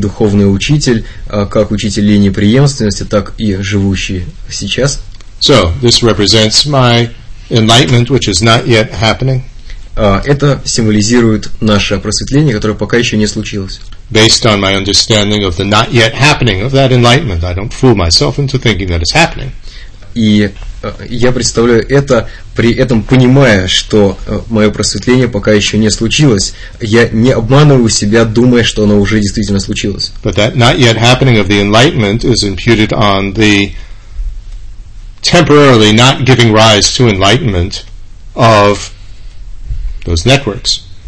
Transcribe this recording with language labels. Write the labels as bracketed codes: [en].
[ru] духовный учитель, как учитель линии преемственности, так и живущий сейчас. [en] So, this represents my enlightenment, which is not yet happening. [ru] Это символизирует наше просветление, которое пока еще не случилось. [en] Based on my understanding of the not yet happening of that enlightenment, I don't fool myself into thinking that it's happening. [ru] И я представляю это, при этом понимая, что мое просветление пока еще не случилось. Я не обманываю себя, думая, что оно уже действительно случилось. [en] But that not yet happening of the enlightenment is imputed on the temporarily not giving rise to enlightenment of those networks.